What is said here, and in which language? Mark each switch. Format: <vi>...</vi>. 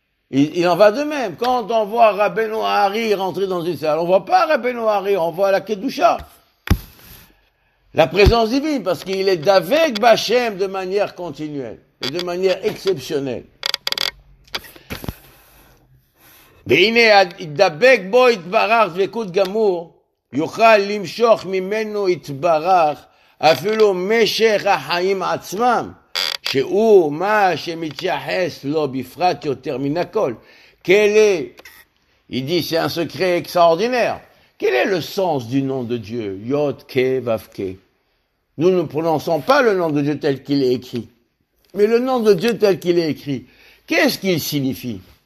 <fr>Il en va de même. Quand on voit Rabbeinu Ahari rentrer dans une salle, on voit pas Rabbeinu Ahari, on voit la Kedusha. La présence divine, parce qu'il est avec Bachem de manière continuelle et de manière exceptionnelle.</fr> <he>והנה ידבק בו יתברך דבקות גמור, יוכל למשוך ממנו יתברך אפילו משך החיים עצמם, שהוא מה שמתייחס לו בפרט יותר מן הכל.</he> <fr>Quel est, il dit, c'est un secret extraordinaire. Quel est le sens du nom de Dieu? Yod, ke, vav, ke. Nous ne prononçons pas le nom de Dieu tel qu'il est écrit, mais le nom de Dieu tel qu'il est écrit, qu'est-ce qu'il signifie?</fr>